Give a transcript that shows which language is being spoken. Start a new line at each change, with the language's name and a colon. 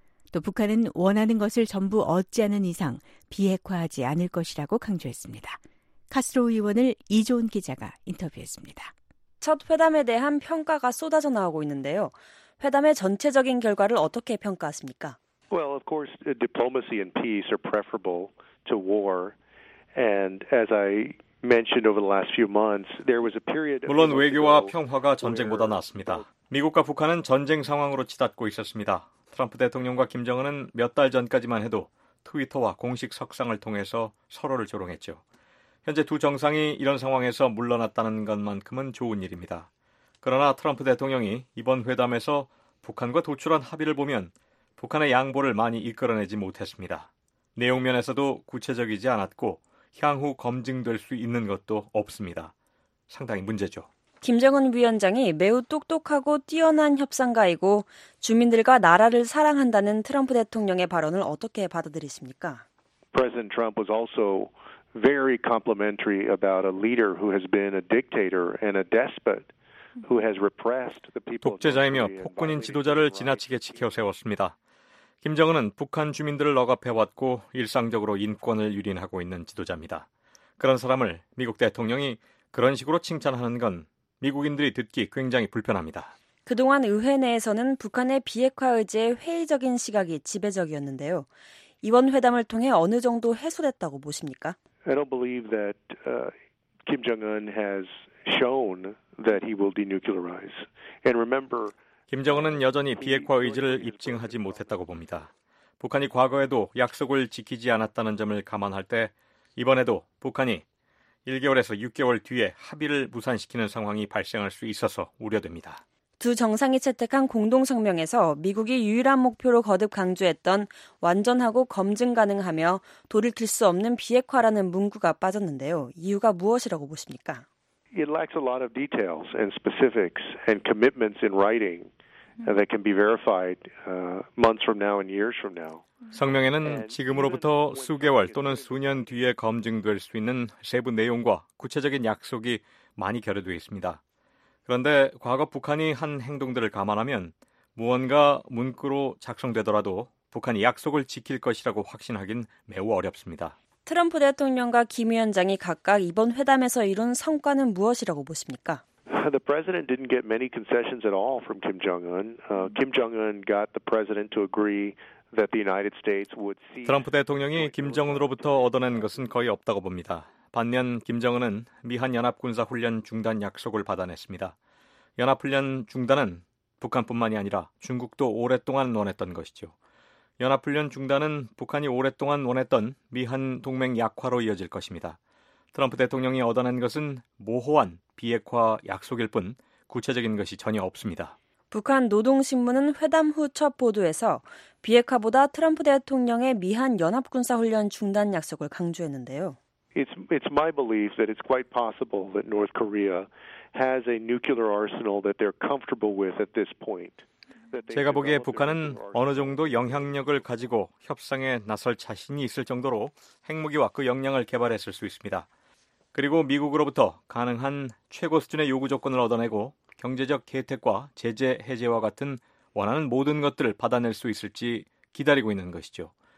Korean: 또 북한은 원하는 것을 전부 얻지 않은 이상 비핵화하지 않을 것이라고 강조했습니다. 카스트로 의원을 이조은 기자가 인터뷰했습니다. 첫 회담에 대한 평가가 쏟아져 나오고 있는데요. 회담의 전체적인 결과를 어떻게 평가하십니까?
English: Well, of course, diplomacy and peace are preferable to war. And as I mentioned over the last few months, there was a period.
Korean: 물론 외교와 평화가 전쟁보다 낫습니다. 미국과 북한은 전쟁 상황으로 치닫고 있었습니다. 트럼프 대통령과 김정은은 몇 달 전까지만 해도 트위터와 공식 석상을 통해서 서로를 조롱했죠. 현재 두 정상이 이런 상황에서 물러났다는 것만큼은 좋은 일입니다. 그러나 트럼프 대통령이 이번 회담에서 북한과 도출한 합의를 보면 북한의 양보를 많이 이끌어내지 못했습니다. 내용 면에서도 구체적이지 않았고 향후 검증될 수 있는 것도 없습니다. 상당히 문제죠. 김정은 위원장이 매우 똑똑하고 뛰어난 협상가이고 주민들과 나라를 사랑한다는 트럼프 대통령의 발언을 어떻게 받아들이십니까?
English: President Trump was also very complimentary about a leader who has been a dictator and a despot who has repressed the people.
Korean: 독재자이며 폭군인 지도자를 지나치게 치켜세웠습니다. 김정은은 북한 주민들을 억압해왔고 일상적으로 인권을 유린하고 있는 지도자입니다. 그런 사람을 미국 대통령이 그런 식으로 칭찬하는 건 미국인들이 듣기 굉장히 불편합니다. 그동안 의회 내에서는 북한의 비핵화 의지에 회의적인 시각이 지배적이었는데요. 이번 회담을 통해 어느 정도 해소됐다고 보십니까?
English: I don't believe that Kim Jong-un has shown that he will denuclearize. And remember,
Korean: 김정은은 여전히 비핵화 의지를 입증하지 못했다고 봅니다. 북한이 과거에도 약속을 지키지 않았다는 점을 감안할 때 이번에도 북한이 1개월에서 6개월 뒤에 합의를 무산시키는 상황이 발생할 수 있어서 우려됩니다. 두 정상이 채택한 공동성명에서 미국이 유일한 목표로 거듭 강조했던 완전하고 검증 가능하며 돌이킬 수 없는 비핵화라는 문구가 빠졌는데요. 이유가 무엇이라고 보십니까?
English: It lacks a lot of details and specifics and commitments in writing that can be verified months from now and years from now.
Korean: 성명에는 지금으로부터 수개월 또는 수년 뒤에 검증될 수 있는 세부 내용과 구체적인 약속이 많이 결여되어 있습니다. 그런데 과거 북한이 한 행동들을 감안하면 무언가 문구로 작성되더라도 북한이 약속을 지킬 것이라고 확신하긴 매우 어렵습니다. 트럼프 대통령과 김 위원장이 각각 이번 회담에서 이룬 성과는 무엇이라고 보십니까?
English: The president didn't get many concessions at all from Kim Jong-un. Kim Jong-un got the president to agree that the United States would see.
Korean: 트럼프 대통령이 김정은으로부터 얻어낸 것은 거의 없다고 봅니다. 반면 김정은은 미한 연합군사 훈련 중단 약속을 받아냈습니다. 연합 훈련 중단은 북한뿐만이 아니라 중국도 오랫동안 원했던 것이죠. 연합훈련 중단은 북한이 오랫동안 원했던 미한 동맹 약화로 이어질 것입니다. 트럼프 대통령이 얻어낸 것은 모호한 비핵화 약속일 뿐 구체적인 것이 전혀 없습니다. 북한 노동신문은 회담 후 첫 보도에서 비핵화보다 트럼프 대통령의 미한 연합군사훈련 중단 약속을 강조했는데요.
English: It's my belief that it's quite possible that North Korea has a nuclear arsenal that they're comfortable with at this point.
Korean: 제가 보기에 북한은 어느 정도 영향력을 가지고 협상에 나설 자신이 있을 정도로 핵무기와 그 역량을 개발했을 수 있습니다. 그리고 미국으로부터 가능한 최고 수준의 요구 조건을 얻어내고 경제적 혜택과 제재 해제와 같은 원하는 모든 것들을 받아낼 수 있을지 기다리고 있는 것이죠.